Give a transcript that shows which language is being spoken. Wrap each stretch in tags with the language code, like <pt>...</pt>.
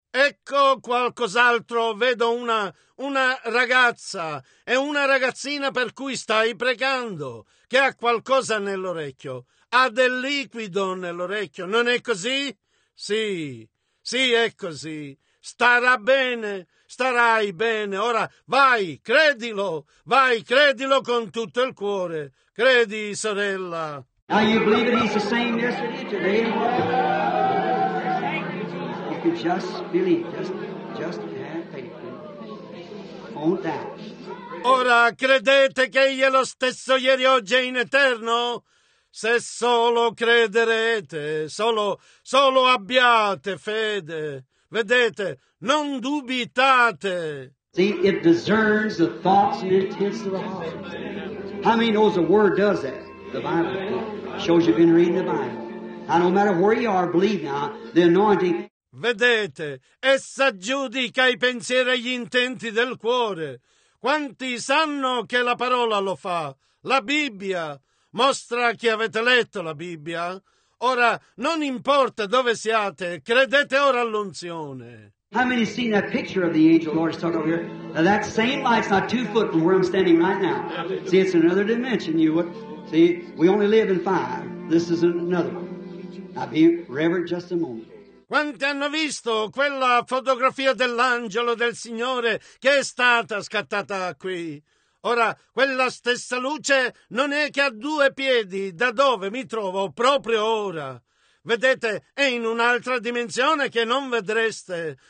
<it>Ecco qualcos'altro, vedo una ragazza, è una ragazzina per cui stai pregando, che ha qualcosa nell'orecchio, ha del liquido nell'orecchio, non è così? Sì, sì è così, starà bene, starai bene, ora vai, credilo con tutto il cuore, credi sorella.</it> <en>Now you believe that he's the same yesterday, today? You just believe, just have faith. Don't doubt.</en> <it>Ora credete che egli è lo stesso ieri, oggi e in eterno? Se solo crederete, solo abbiate fede. Vedete, non dubitate.</it> <en>See, it discerns the thoughts and intents of the heart. How many knows the word does that? The Bible. It shows you've been reading the Bible. Now, no matter where you are, believe now, the anointing.</en> <it>Vedete, essa giudica i pensieri e gli intenti del cuore. Quanti sanno che la parola lo fa? La Bibbia mostra che avete letto la Bibbia. Ora, non importa dove siate, credete ora all'unzione.</it> <en>How many have seen that picture of the angel Lord is talking over here? Now that same light's not 2 foot from where I'm standing right now. See, it's another dimension. You would see, we only live in five. This is another one. I'll be reverent just a moment.</en> <it>Quanti hanno visto quella fotografia dell'angelo del Signore che è stata scattata qui? Ora, quella stessa luce non è che a 2 piedi da dove mi trovo proprio ora. Vedete, è in un'altra dimensione che non vedreste.</it>